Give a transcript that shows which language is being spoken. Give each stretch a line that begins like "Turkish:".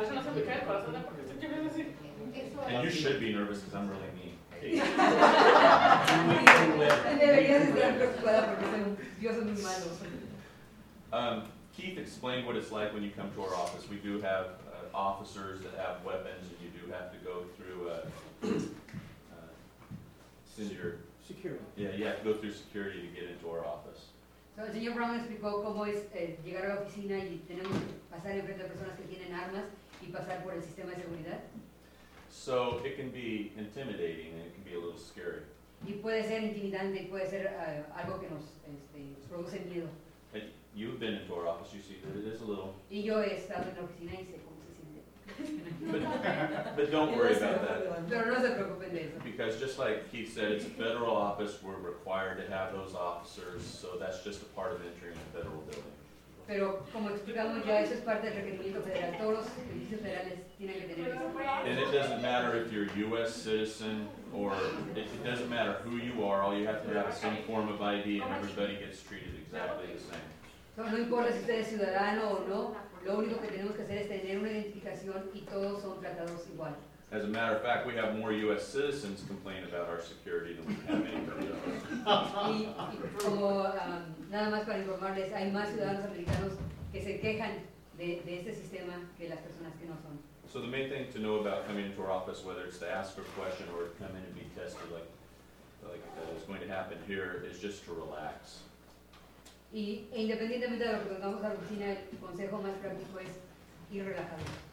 Spanish: Eso no se me cae el corazón, porque estoy así.
English: And you should be nervous, because I'm really mean.
Spanish: Deberías estar preocupada, porque yo soy muy malo.
English: Keith explained what it's like when you come to our office. We do have officers that have weapons, and you do have to go through security. Yeah, you have to go through security to get into our office.
Spanish: So, el señor Brown explicó cómo es llegar a la oficina y tenemos que pasar en frente a personas que tienen armas y pasar por el sistema de seguridad.
English: So, it can be intimidating and it can be a little scary.
Spanish: Y puede ser intimidante y puede ser algo que nos produce miedo.
English: You've been into our office, you see that it is a little...
Spanish: Y yo he estado en la oficina y sé cómo se siente.
English: But don't worry about that.
Spanish: Pero no se preocupen de eso.
English: Because just like Keith said, it's a federal office, we're required to have those officers, so that's just a part of entering a federal building.
Spanish: Pero como explicamos ya, eso es parte del requerimiento federal. Todos los servicios federales tienen que tener eso.
English: And it doesn't matter if you're a U.S. citizen or it doesn't matter who you are, all you have to have is some form of ID and everybody gets treated exactly the same.
Spanish: No importa si usted es ciudadano o no, lo único que tenemos que hacer es tener una identificación y todos son tratados igual.
English: As a matter of fact, we have more U.S. citizens complain about our security than we have anybody else.
Spanish: Y como nada más para informarles, hay más ciudadanos americanos que se quejan de este sistema que las personas que no son.
English: So the main thing to know about coming into our office, whether it's to ask for a question or to come in and be tested like it's going to happen here, is just to relax.
Spanish: Y independientemente de lo que contamos a la oficina, el consejo más práctico es ir relajado.